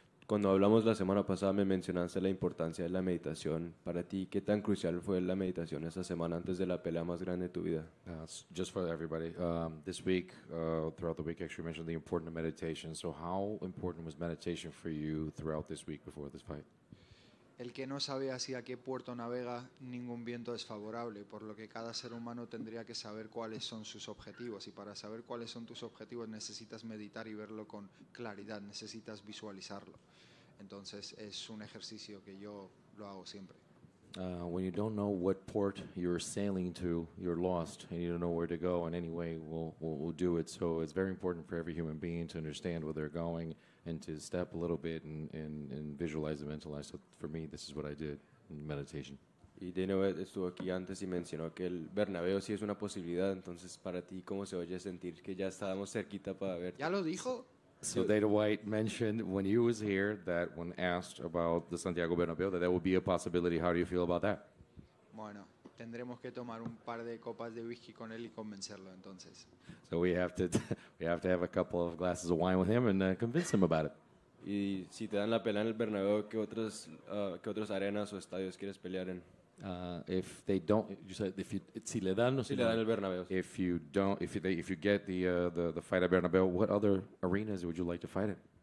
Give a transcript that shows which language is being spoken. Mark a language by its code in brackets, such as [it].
[es] Cuando hablamos la semana pasada, me mencionaste la importancia de la meditación. Para ti, ¿qué tan crucial fue la meditación esa semana antes de la pelea más grande de tu vida? [en] Just for everybody, this week, throughout the week, actually mentioned the importance of meditation. So how important was meditation for you throughout this week before this fight? [es] El que no sabe hacia qué puerto navega, ningún viento es favorable, por lo que cada ser humano tendría que saber cuáles son sus objetivos. Y para saber cuáles son tus objetivos necesitas meditar y verlo con claridad, necesitas visualizarlo. Entonces es un ejercicio que yo lo hago siempre. [en] When you don't know what port you're sailing to, you're lost and you don't know where to go, and anyway, we'll do it. So it's very important for every human being to understand where they're going and to step a little bit and visualize and mentalize. So for me, this is what I did in meditation. [es] Y de nuevo estuvo aquí antes y mencionó que el Bernabéu sí es una posibilidad. Entonces, para ti, ¿cómo se oye sentir que ya estábamos cerquita para verte? ¿Ya lo dijo? [en] So Dana White mentioned when he was here that when asked about the Santiago Bernabéu, that there would be a possibility. How do you feel about that? [es] Bueno, tendremos que tomar un par de copas de whisky con él y convencerlo, entonces. [en] So we have to have a couple of glasses of wine with him and convince him about it. [es] Y si te dan la pelea en el Bernabéu, ¿qué otros arenas o estadios quieres pelear en? [en] If they don't, you said if you [es] si le dan, no, si le dan el Bernabéu. [en] If you don't, if you get the fight at Bernabéu, what other arenas would you like to fight in?